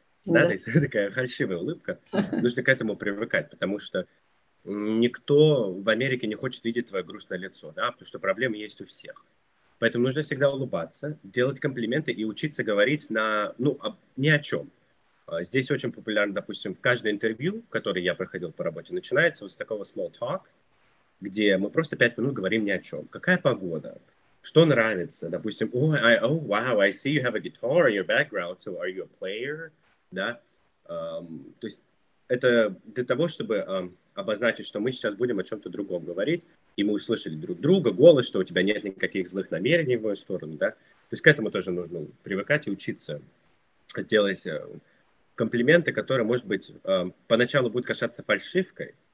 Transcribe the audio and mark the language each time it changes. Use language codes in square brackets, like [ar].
[ru] Да, то есть такая фальшивая улыбка. Нужно к этому привыкать, потому что никто в Америке не хочет видеть твое грустное лицо, да, потому что проблемы есть у всех. Поэтому нужно всегда улыбаться, делать комплименты и учиться говорить на, ну, ни о чем. Здесь очень популярно, допустим, в каждое интервью, которое я проходил по работе, начинается вот с такого small talk, где мы просто 5 минут говорим ни о чем. Какая погода? Что нравится? [en] Допустим, I see you have a guitar in your background, so are you a player? [ru] Да? То есть это для того, чтобы обозначить, что мы сейчас будем о чем-то другом говорить, и мы услышали друг друга, голос, что у тебя нет никаких злых намерений в мою сторону, да? То есть к этому тоже нужно привыкать и учиться делать комплименты, которые, может быть, поначалу будут казаться фальшивкой.